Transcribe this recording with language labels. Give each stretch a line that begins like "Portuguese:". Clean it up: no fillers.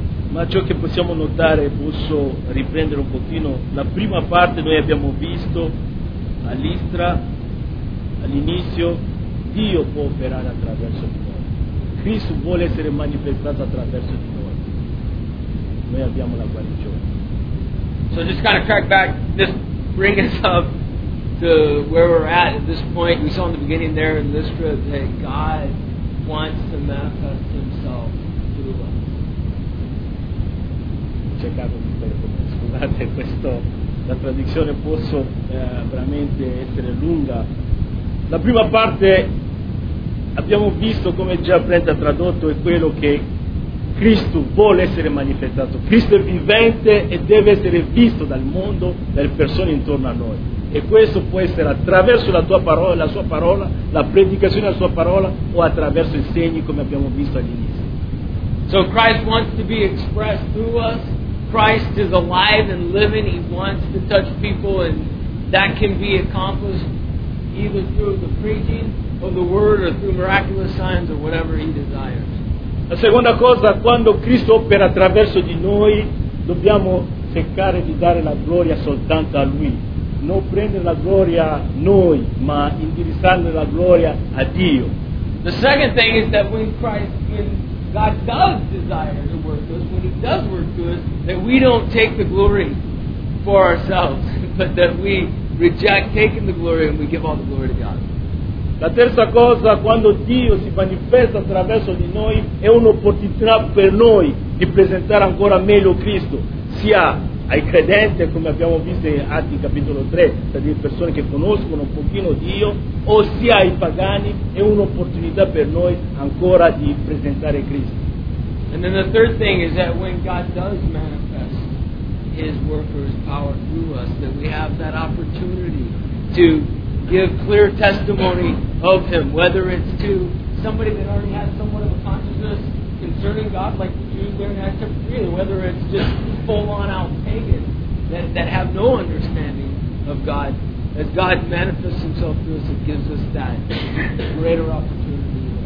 Italian: Ma ciò che possiamo notare, posso riprendere un pochino, la prima parte noi abbiamo visto a Listra, all'inizio, Dio può operare attraverso di noi. Cristo vuole essere manifestato attraverso di noi. Noi abbiamo la guarigione.
English: So just kind of crack back, just bring us up to where we're at this point. We saw in the beginning there in Listra that God wants to manifest himself through us.
Italian: Cercato di perdere, scusate questo, la traduzione posso veramente essere lunga. La prima parte abbiamo visto, come già Brenda ha tradotto, è quello che Cristo vuole essere manifestato. Cristo è vivente e deve essere visto dal mondo, dalle persone intorno a noi, e questo può essere attraverso la tua parola, la sua parola, la predicazione della sua parola, o attraverso i segni come abbiamo visto all'inizio.
English: So Christ wants to be expressed through us. Christ is alive and living. He wants to touch people, and that can be accomplished either through the preaching of the word or through miraculous signs or whatever he desires.
Italian: La seconda cosa, quando Cristo opera attraverso di noi, dobbiamo cercare di dare la gloria soltanto a lui. Non prendere la gloria noi, ma indirizzare la gloria a Dio.
English: The second thing is that when God does desire to work us, when he does work through us, that we don't take the glory for ourselves, but that we reject taking the glory and we give all the glory to God.
Italian: La terza cosa, quando Dio si manifesta attraverso di noi, è un'opportunità per noi di presentare ancora meglio Cristo, sia ai credenti, come abbiamo visto in Atti capitolo 3, per le persone che conoscono un pochino Dio, ossia ai pagani, è un'opportunità per noi ancora di presentare Cristo.
English: And then the third thing is that when God does manifest his work or his power through us, that we have that opportunity to give clear testimony of him, whether it's to somebody that already has somewhat of a consciousness concerning God, like the Jews there in Acts chapter 3, or whether it's just full-on out pagans that have no understanding of God, as God manifests himself through us and gives us that greater opportunity.